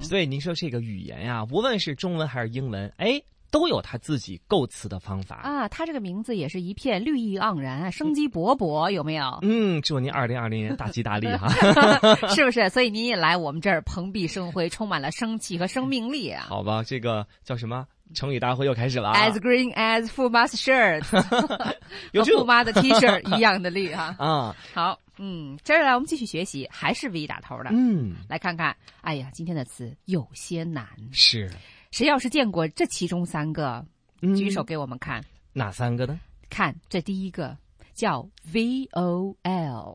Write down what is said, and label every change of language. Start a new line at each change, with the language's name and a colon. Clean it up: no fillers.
Chinese: 所以您说这个语言呀，无论是中文还是英文，哎，都有他自己构词的方法啊。他这个名字也是一片绿意盎然，生机勃勃，有没有？嗯，祝您2020年大吉大利哈，是不是？所以您也来我们这儿蓬荜生辉，充满了生气和生命力啊。好吧，这个叫什么？成语大会又开始了。
English: As green as 富妈 's shirt，
Chinese: 有和富妈的 T 恤一样的绿哈。啊，嗯，好，嗯，接下来我们继续学习，还是 V 打头的。嗯，来看看，哎呀，今天的词有些难。是。谁要是见过这其中三个、嗯、举手给我们看。哪三个呢？看这第一个叫 VOL。